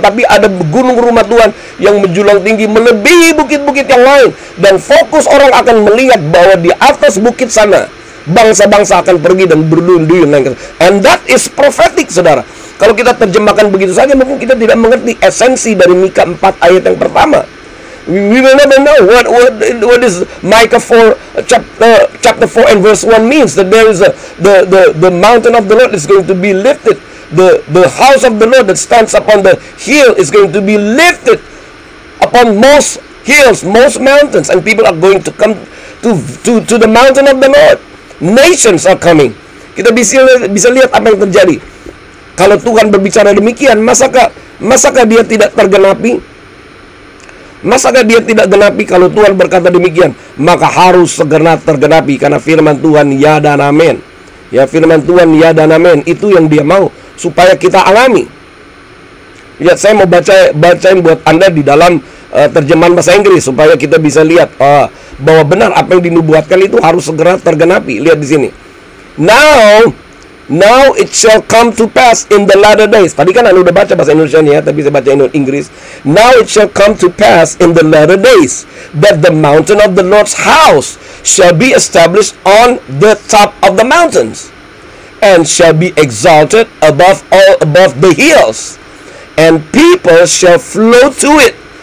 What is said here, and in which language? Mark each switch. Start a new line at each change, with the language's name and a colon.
Indonesian: Tapi ada gunung rumah Tuhan yang menjulang tinggi melebihi bukit-bukit yang lain. Dan fokus orang akan melihat bahwa di atas bukit sana, bangsa-bangsa akan pergi dan berduyun-duyun.
English: And that is prophetic,
Indonesian: saudara. Kalau kita terjemahkan begitu saja, mungkin kita tidak mengerti esensi dari Mika 4 ayat yang pertama.
English: We will never know what is Micah 4 chapter 4 and verse 1 means, that there is the mountain of the Lord is going to be lifted, the house of the Lord that stands upon the hill is going to be lifted upon most hills, most mountains, and people are going to come to the mountain of the Lord. Nations are coming.
Indonesian: Kita bisa lihat apa yang terjadi. Kalau Tuhan berbicara demikian, masakah dia tidak tergenapi? Masakah dia tidak genapi? Kalau Tuhan berkata demikian, maka harus segera tergenapi. Karena firman Tuhan ya dan amin. Ya, firman Tuhan ya dan amin. Itu yang dia mau, supaya kita alami. Ya, saya mau bacain buat Anda di dalam terjemahan bahasa Inggris, supaya kita bisa lihat bahwa benar apa yang dinubuatkan itu harus segera tergenapi. Lihat di sini.
English: Now it shall come to pass in the latter days.
Indonesian: Tadi kan Anda udah baca bahasa Indonesia ya, tapi saya baca in Inggris.
English: Now it shall come to pass in the latter days that the mountain of the Lord's house shall be established on the top of the mountains and shall be exalted above all above the hills, and people shall flow to it.